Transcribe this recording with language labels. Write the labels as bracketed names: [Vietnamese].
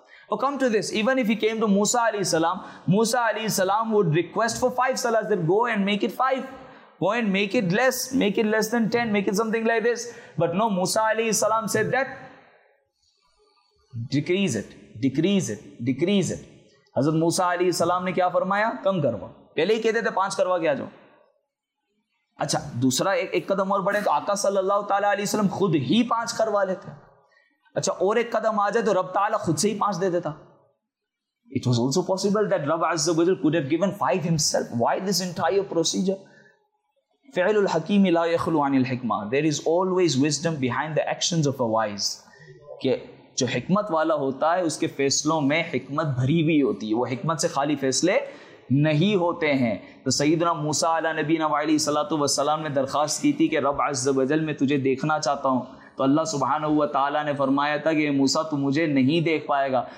[English] Oh, come to this, even if he came to Musa alayhi salam, Musa alayhi salam would request for 5 salas, then go and make it 5. Go and make it less, make it less than 10, make it something like this. But no, Musa alayhi salam said that, decrease it. [Urdu] حضرت موسیٰ علیہ السلام نے کیا فرمایا, کم کروا. پہلے ہی کہتے تھے 5 کروا کے آ جاؤ. اچھا دوسرا ایک قدم اور بڑھے تو آقا صلی اللہ تعالیٰ علیہ وسلم خود ہی 5 کروا لیتے. اچھا اور ایک قدم آ جائے تو رب تعالیٰ خود سے ہی 5 دے دیتا. [English] It was also possible that رب عز و جل could have given 5 himself. Why this entire procedure? [Arabic] فعل الحکیم لا يخلو عن الحکمہ. [English] There is always wisdom behind the actions of a wise. [Urdu] کہ جو حکمت والا ہوتا ہے اس کے فیصلوں میں حکمت بھری ہوئی ہوتی ہے, وہ حکمت سے خالی فیصلے نہیں ہوتے ہیں. تو سیدنا موسیٰ علی نبینا علیہ الصلوۃ والسلام نے درخواست کی تھی کہ رب عز و جل میں تجھے دیکھنا چاہتا ہوں, تو اللہ سبحانہ و تعالیٰ نے فرمایا تھا کہ موسیٰ تو مجھے نہیں دیکھ پائے گا.